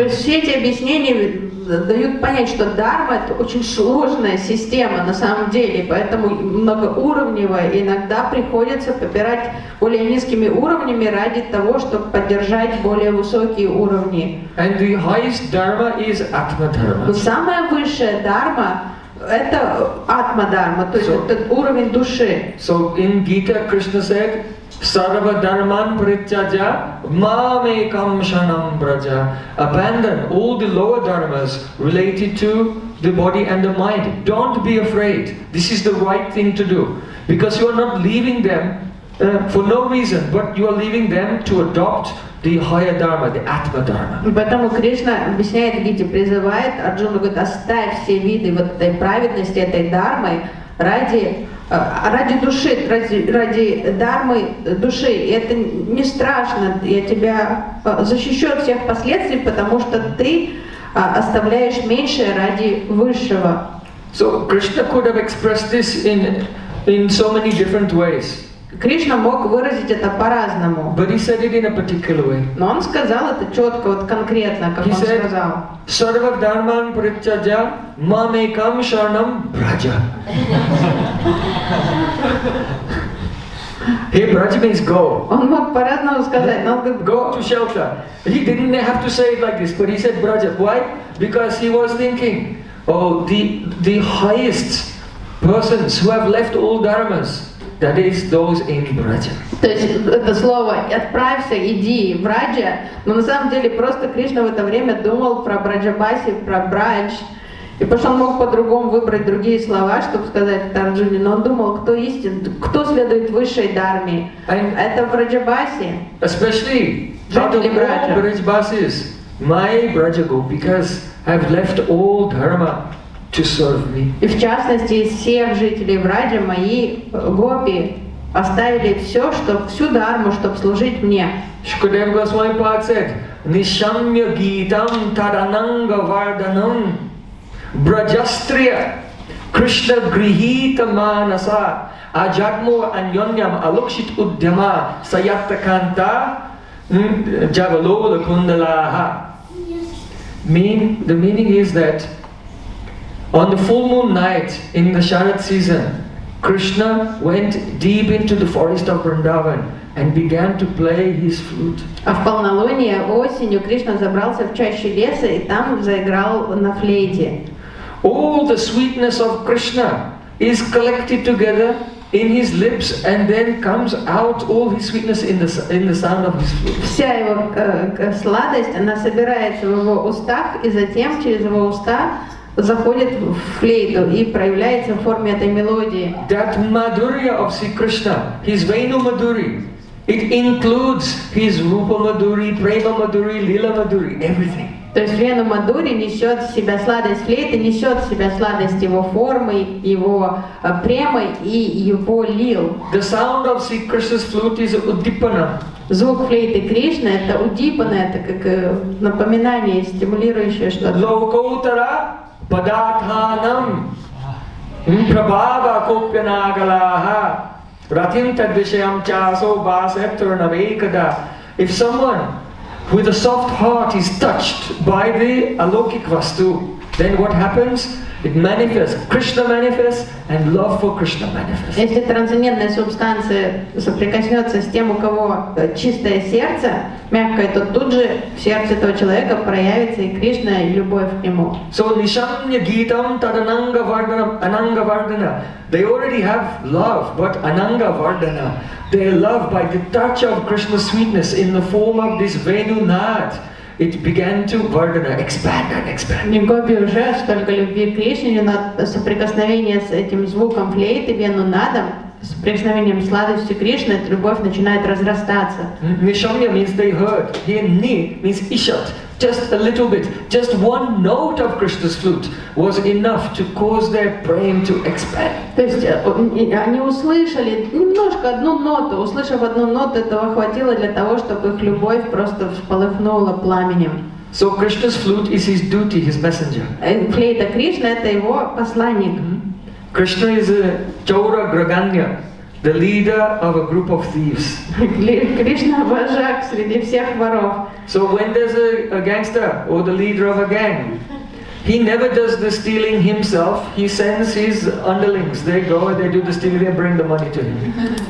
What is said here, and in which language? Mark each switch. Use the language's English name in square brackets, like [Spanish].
[Russian] То есть все эти объяснения дают понять, что дхарма — это очень сложная система на самом деле, поэтому многоуровневая, иногда приходится попирать более низкими уровнями ради того, чтобы поддержать более высокие уровни. [English] And the highest dharma is atma dharma. [Russian] Самая высшая дхарма — это атма дхарма, то есть этот уровень души. [English] So in Gita Krishna said, [Sanskrit] Sarva dharman prityaja mamekam shanam braja. [English] Abandon all the lower dharmas related to the body and the mind. Don't be afraid. This is the right thing to do. Because you are not leaving them for no reason, but you are leaving them to adopt the higher dharma, the atma dharma. [Russian] Поэтому Кришна объясняет Гите, призывает Арджуну, говорит, оставь все виды вот этой праведности, этой дхармы ради души, ради дхармы души, и это не страшно, я тебя защищу от всех последствий, потому что ты оставляешь меньшее ради высшего. [English] So Krishna could have expressed this in so many different ways. [Russian] Кришна мог выразить это по-разному. [English] But he said it in a particular way. [Russian] Но он сказал это четко, вот конкретно, как [English] he [Russian] он [English] said, [Russian] сказал. [Sanskrit] Sarva dharman prityaja mamekam sharanam braja. [English] Hey, braja means go. [Russian] Он мог по-разному сказать, но он говорит, [English] go to shelter. He didn't have to say it like this, but he said braja. Why? Because he was thinking, oh, the highest persons who have left all dharmas, that is those in Braja. [Russian] То есть это слово «отправься, иди в Раджа», но на самом деле просто Кришна в это время думал про Браджабаси, про Брадж, и пошел мог по-другому выбрать другие слова, чтобы сказать Тарджуне, но он думал, кто истин, кто следует высшей дхарме. Это Браджабаси. [English] Especially, not only Браджабасис, my Braja Gopikas have left all dharma to serve me. [Russian] И в частности, из всех жителей Враджа мои гопи оставили все, чтоб, всю дхарму, чтобы служить мне. [Sanskrit] Шукадева Госвами Пад said, Нишамья гитам тарананга варданам браджастрия Кришна грихита манаса аджагму аньоням алокшит уддяма саятта канта джавалола кундалаха. [English] The meaning is that on the full moon night in the Sharad season, Krishna went deep into the forest of Vrindavan and began to play his flute. [Russian] А в полнолуние осенью Кришна забрался в чащу леса и там заиграл на флейте. [English] All the sweetness of Krishna is collected together in his lips, and then comes out all his sweetness in the sound of his flute. [Russian] Вся его сладость, она собирается в его устах, и затем через его уста заходит в флейту и проявляется в форме этой мелодии. [English] That madhurya of Sri Krishna, his venu madhuri, it includes his rupa madhuri, prema madhuri, lila madhuri, everything. [Russian] То есть вену мадури несет в себя сладость флейты, несет в себя сладость его формы, его премы и его лил. [English] The sound of Sri Krishna's flute is uddipana. [Russian] Звук флейты Кришны это уддипана, это как напоминание, стимулирующее что-то. [Sanskrit] Локоутара падатханам прабава копьянагалаха ратинтадвишаям часо басептур навекада. [English] If someone with a soft heart is touched by the alaukik vastu, then what happens? It manifests, Krishna manifests, and love for Krishna manifests. Если трансцендентная субстанция соприкоснется с тем, у кого чистое сердце, мягкое, то тут же в сердце этого человека проявится и Кришна, и любовь к нему. [Sanskrit] So nishanya gitam tad ananga vardana, ananga vardana. [English] They already have love, but ananga vardana. Their love by the touch of Krishna's sweetness in the form of this Venu Nad, it began to vardana, expand and expand. [Russian] Не копи уже столько любви к Кришне, но соприкосновение с этим звуком флейты Venu Nadam, соприкосновением сладости Кришны, эта любовь начинает разрастаться. [English] Nishanya means they heard. Here ni means ishat. Just a little bit, just one note of Krishna's flute was enough to cause their brain to expand. [Russian] То есть они услышали немножко одну ноту, услышав одну ноту, этого хватило для того, чтобы их любовь просто вспыхнула пламенем. [English] So Krishna's flute is his duty, his messenger. [Russian] Флейта Кришны это его посланник. [English] Krishna is a Chaura Graganya, the leader of a group of thieves. [Russian] Кришна вожак среди всех воров. [English] So when there's a gangster or the leader of a gang, he never does the stealing himself. He sends his underlings. They go and they do the stealing and bring the money to him.